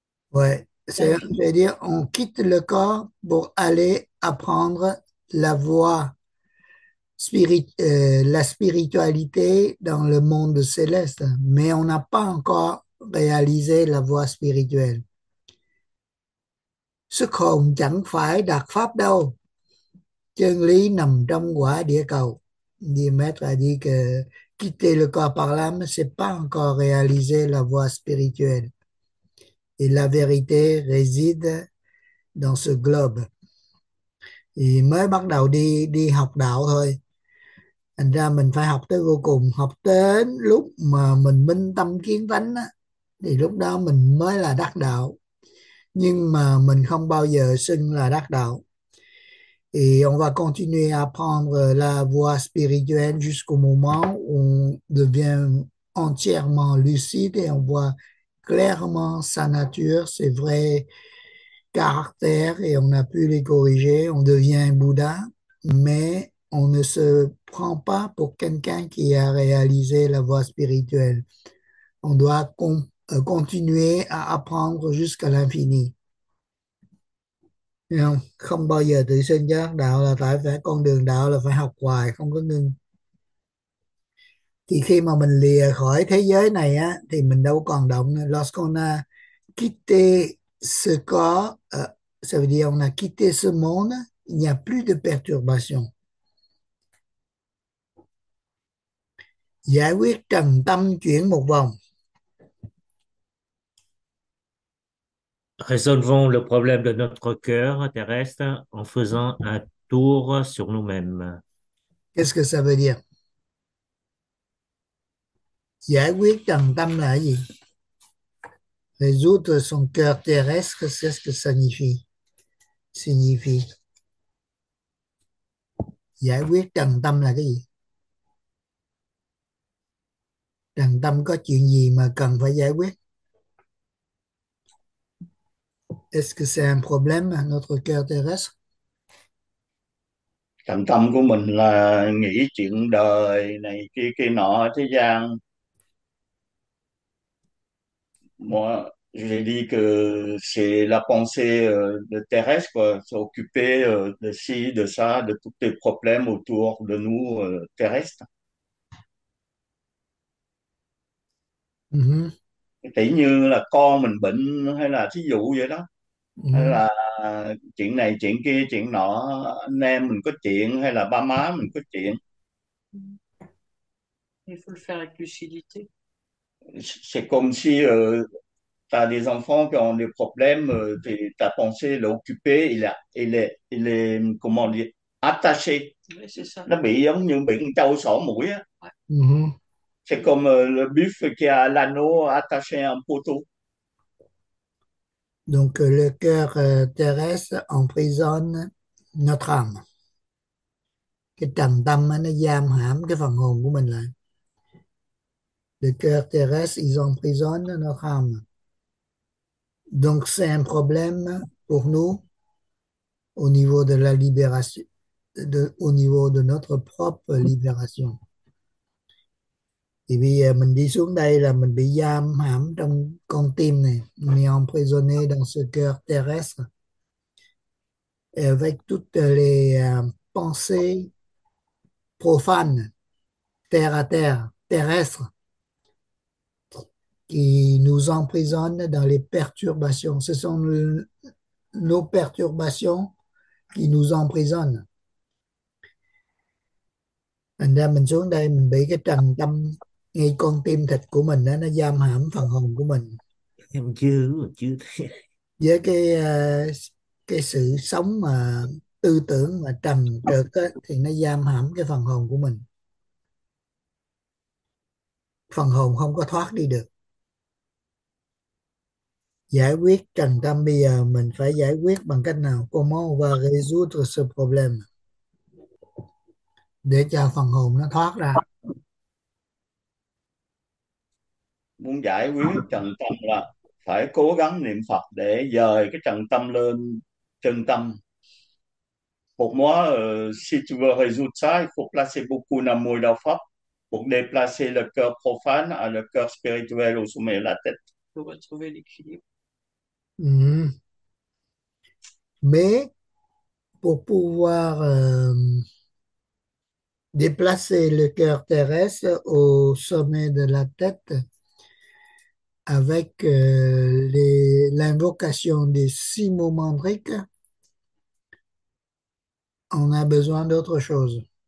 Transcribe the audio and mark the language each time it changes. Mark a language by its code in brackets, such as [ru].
[fr] Ouais, c'est-à-dire on quitte le corps pour aller apprendre la voie la spiritualité dans le monde céleste, mais on n'a pas encore réalisé la voie spirituelle. Ce qu'on [vi] chẳng phải đạt pháp đâu. Chân lý nằm trong quả địa cầu. [fr] Le maître a dit que quitter le corps par l'âme, c'est pas encore réaliser la voie spirituelle. Et la vérité réside dans ce globe. [vi] Thì mới bắt đầu đi học đạo thôi. Thành ra mình phải học tới vô cùng, học đến lúc mà mình minh tâm kiến tánh á, thì lúc đó mình mới là đắc đạo. Nhưng mà mình không bao giờ xưng là đắc đạo. [fr] Et on va continuer à apprendre la voie spirituelle jusqu'au moment où on devient entièrement lucide et on voit clairement sa nature, ses vrais caractères et on a pu les corriger. On devient Bouddha, mais on ne se prend pas pour quelqu'un qui a réalisé la voie spirituelle. On doit continuer à apprendre jusqu'à l'infini. [vi] Không bao giờ tự xưng giác đạo là tại phải con đường đạo là phải học hoài không có ngưng. Thì khi mà mình lìa khỏi thế giới này á thì mình đâu còn động nữa. [fr] Lorsqu'on a quitté ce corps, ça veut dire on a quitté ce monde, il n'y a plus de perturbation. [vi] Giải quyết trần tâm chuyển một vòng. [fr] Résolvons le problème de notre cœur terrestre en faisant un tour sur nous-mêmes. Qu'est-ce que ça veut dire? [vi] Giải quyết trần tâm là gì? [fr] Résoudre son cœur terrestre, c'est ce que ça signifie. Signifie. [vi] Giải quyết trần tâm là cái gì? Trần tâm có chuyện gì mà cần phải giải quyết? [fr] C'est un problème à notre cœur terrestre? [vi] Trọng tâm của mình là nghĩ chuyện đời này kia kia nọ thế gian, [fr] moi j'ai dit que c'est la pensée de terrestre quoi, s'occuper de ci, de ça, de tous les problèmes autour de nous terrestres. [vi] Tỷ như là con mình bệnh hay là thí dụ vậy đó, hay là chuyện này chuyện kia chuyện nọ, anh em mình có chuyện hay là ba má mình có chuyện, [fr] Faire avec lucidité. c'est comme si t'as des enfants qui ont des problèmes, ta pensée l'occuper, il est comment dire attaché, C'est ça. [vi] nó bị giống như bị trâu sổ mũi á, [fr] c'est comme le buffle qui a l'anneau attaché à un poteau. Donc le cœur terrestre emprisonne notre âme. [vi] Cái trần tâm nó giam hãm cái phần hồn của mình lại. [fr] Le cœur terrestre, ils emprisonnent notre âme. Donc c'est un problème pour nous au niveau de la libération, au niveau de notre propre libération. [vi] Thì bây giờ mình đi xuống đây là mình bị giam hãm trong con tim này, mình [fr] est emprisonné dans ce cœur terrestre. Et avec toutes les pensées profanes, terre à terre, terrestres, qui nous emprisonnent dans les perturbations. Ce sont nos perturbations qui nous emprisonnent. [vi] Thành ra mình xuống đây, mình bị cái trần tâm ngay con tim thịt của mình đó, nó giam hãm phần hồn của mình Em chưa thấy. với cái sự sống mà tư tưởng mà trần trược đó, thì nó giam hãm cái phần hồn của mình, phần hồn không có thoát đi được. Giải quyết trần tâm bây giờ mình phải giải quyết bằng cách nào? [fr] Comment on va résoudre ce problème [vi] để cho phần hồn nó thoát ra. Muốn giải quyết trần tâm là phải cố gắng niệm Phật để dời cái trần tâm lên chân tâm. [fr] Pour moi, si tu veux résoudre ça, il faut placer beaucoup d'amour dans Phật pour déplacer le cœur profane à le cœur spirituel au sommet de la tête. Retrouver l'équilibre. Mais pour pouvoir déplacer le cœur terrestre au sommet de la tête avec l'invocation des six mots mantriques, on a besoin d'autre chose.